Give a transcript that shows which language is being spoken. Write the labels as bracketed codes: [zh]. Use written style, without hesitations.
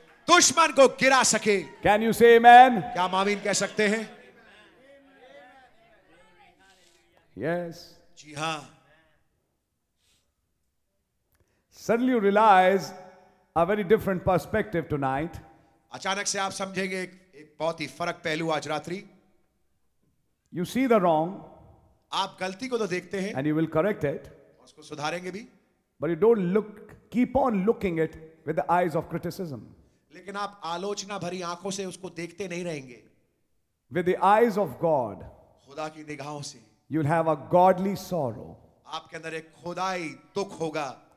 [hi] दुश्मन को गिरा सके. [en] Can you say amen? [hi] क्या मामीन कह सकते हैं? [en] Yes. [hi] जी हाँ. [en] Suddenly you realize a very different perspective tonight. [hi] अचानक से आप समझेंगे एक बहुत ही फर्क पहलू आज रात्रि. [en] You see the wrong. [hi] आप गलती को तो देखते हैं. [en] And you will correct it. [hi] उसको सुधारेंगे भी. [en] But you don't look, keep on looking it with the eyes of criticism. [hi] लेकिन आप आलोचना भरी आंखों से उसको देखते नहीं रहेंगे. [en] With the eyes of God, [hi] खुदा की निगाहों से, [en] you'll have a godly sorrow. [hi] आपके अंदर एक खुदाई दुख होगा.